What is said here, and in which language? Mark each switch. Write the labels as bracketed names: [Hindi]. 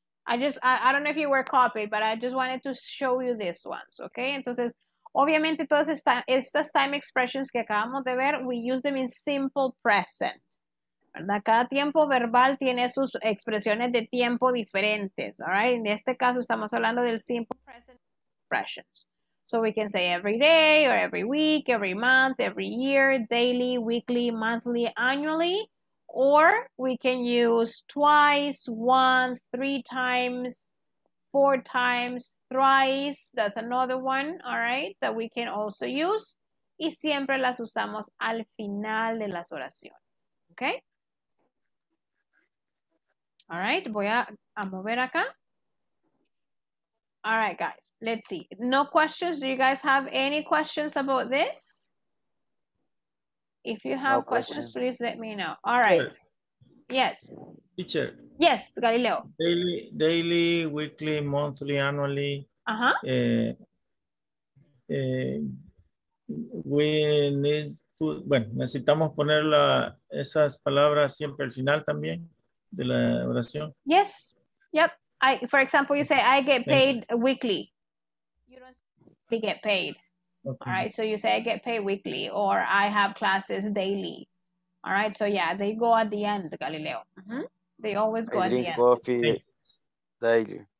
[English] I don't know if you were copied, but I just wanted to show you these ones. Okay. [Spanish] Entonces, Obviamente, todas estas time expressions que acabamos de ver, [English] we use them in simple present, [Spanish] ¿verdad? Cada tiempo verbal tiene sus expresiones de tiempo diferentes, all right? En este caso, estamos hablando del simple present expressions. [English] So we can say every day or every week, every month, every year, daily, weekly, monthly, annually, or we can use twice, once, three times, four times, thrice. That's another one, all right, that we can also use. [Spanish] Y siempre las usamos al final de las oraciones, okay? [English] All right, [Spanish] voy a mover acá. [English] All right, guys, let's see. No questions. Do you guys have any questions about this? If you have questions, please let me know. All right. Yes. Teacher. Yes, Galileo. Daily, weekly, monthly, annually. We need to, [Spanish] bueno, necesitamos poner esas palabras siempre al final también de la oración. [English] Yes. Yep. For example, you say, I get paid weekly. You don't say we get paid. Okay. All right. So you say, I get paid weekly, or I have classes daily. All right. So yeah, they go at the end, Galileo. Mm-hmm. They always go at the end. I drink coffee daily.